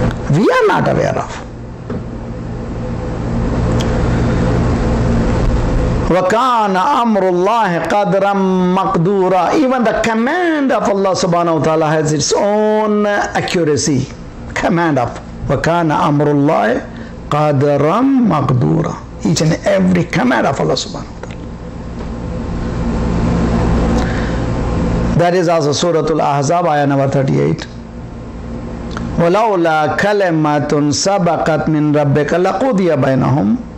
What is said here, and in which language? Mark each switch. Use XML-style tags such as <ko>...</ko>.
<en>We are not aware of.</en> <ar>وَكَانَ أَمْرُ اللَّهِ قَدْرًا مَقْدُورًا.</ar> <en>Even the command of Allah subhanahu wa ta'ala has its own accuracy. Command of</en> <ar>وَكَانَ أَمْرُ اللَّهِ قَدْرًا مَقْدُورًا.</ar> <en>Each and every command of Allah subhanahu wa ta'ala. That is also Surah Al-Ahzab, ayah number 38.</en> <ar>ولولا كلمات سبقت من ربك لقضي بينهم.</ar>